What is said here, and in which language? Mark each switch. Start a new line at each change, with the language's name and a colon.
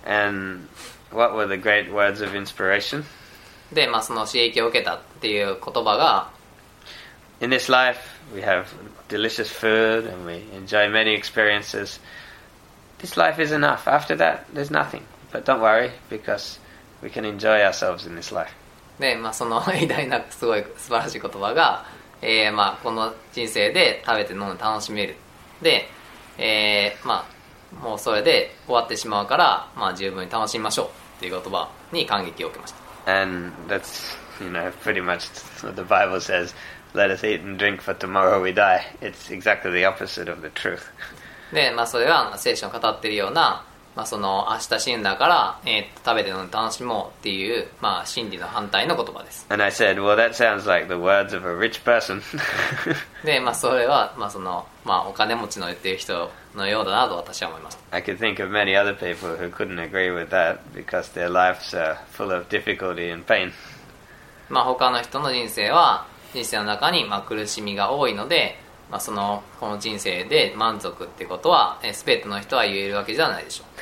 English: And what were the great words of inspiration?
Japanese: で、まあ、その刺激を受けたっていう言葉が、
English: In this life, we have delicious food and we enjoy many experiences. This life is enough. After that, there's nothing. But don't worry, becauseWe can enjoy ourselves in this life.
Japanese: で、まあ、その偉大なすごい素晴らしい言葉が、まあ、この人生で食べて飲んで楽しめる。で、まあ、もうそれで終わってしまうから、まあ、十分に楽しみましょうという言葉に感激を受けました。
English: And that's, you know, pretty much what the Bible says. Let us eat and drink for tomorrow we die. It's exactly the opposite of the truth.
Japanese: で、まあ、それは聖書が語っているような、まあ、その明日死んだから、食べて飲んで楽しもうっていう、まあ、真理の反対の言葉です。
English: And I said, well, that sounds like the words of a rich person.
Japanese: で、まあ、それは、まあ、その、まあ、お金持ちの言っている人のようだなと私は思いました。
English: I could think of many other people who couldn't agree with that because their lives are full of difficulty and pain.
Japanese: まあ、他の人の人生は、人生の中に、まあ、苦しみが多いので、まあ、そのこの人生で満足ってことは、全ての人は言えるわけじゃないでしょう。